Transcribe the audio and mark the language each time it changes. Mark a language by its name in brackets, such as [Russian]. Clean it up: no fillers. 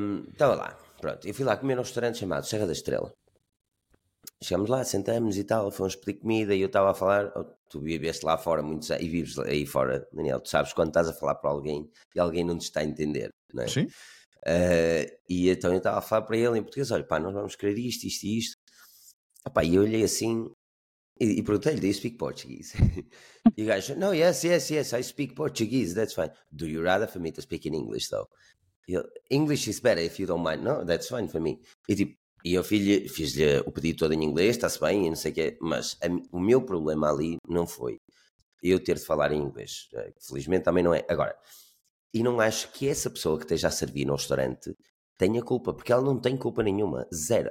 [Portuguese] Estava lá, pronto, eu fui lá comer num restaurante chamado Serra da Estrela. Chegámos lá, sentámos e tal, fomos pedir comida e eu estava a falar, tu vives lá fora muitos anos, e vives aí fora, Daniel, tu sabes quando estás a falar para alguém e alguém não te está a entender, não é? Sim. E então eu estava a falar para ele em português, olha pá, nós vamos querer isto. Epá, e eu olhei assim... E perguntei-lhe, [English] do you speak Portuguese? [Portuguese] E o gajo, [English] no, yes, I speak Portuguese, that's fine. Do you rather for me to speak in English, though? English is better if you don't mind. No, that's fine for me. [Portuguese] E tipo, e eu fiz-lhe o pedido todo em inglês, está-se bem, e não sei o quê. Mas o meu problema ali não foi eu ter de falar em inglês. Felizmente também não é. Agora, e não acho que essa pessoa que esteja a servir no restaurante tenha culpa, porque ela não tem culpa nenhuma. Zero.